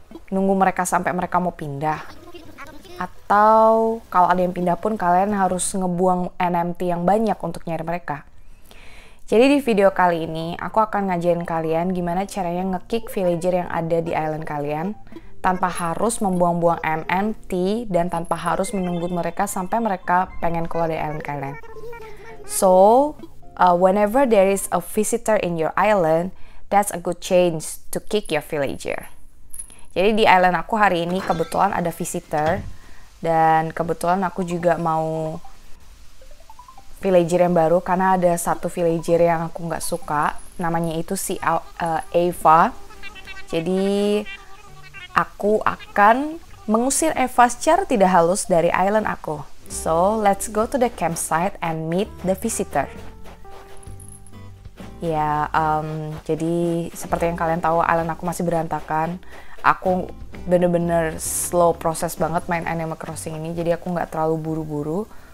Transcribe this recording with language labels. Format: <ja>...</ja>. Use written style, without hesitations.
<id>Nunggu mereka sampai mereka mau pindah? Atau kalau ada yang pindah pun kalian harus ngebuang NMT yang banyak untuk nyari mereka? Jadi di video kali ini, aku akan ngajarin kalian gimana caranya nge-kick villager yang ada di island kalian tanpa harus membuang-buang NMT dan tanpa harus menunggu mereka sampai mereka pengen keluar dari island kalian.</id> <en>So, whenever there is a visitor in your island, that's a good chance to kick your villager.</en> <id>Jadi di island aku hari ini kebetulan ada visitor dan kebetulan aku juga mau villager yang baru karena ada satu villager yang aku gak suka, namanya itu si Eva. Jadi aku akan mengusir Eva secara tidak halus dari island aku.</id> <en>So, let's go to the campsite and meet the visitor.</en> <id>Ya, jadi seperti yang kalian tahu, island aku masih berantakan. Aku bener-bener slow proses banget main Animal Crossing ini, jadi aku gak terlalu buru-buru.</id>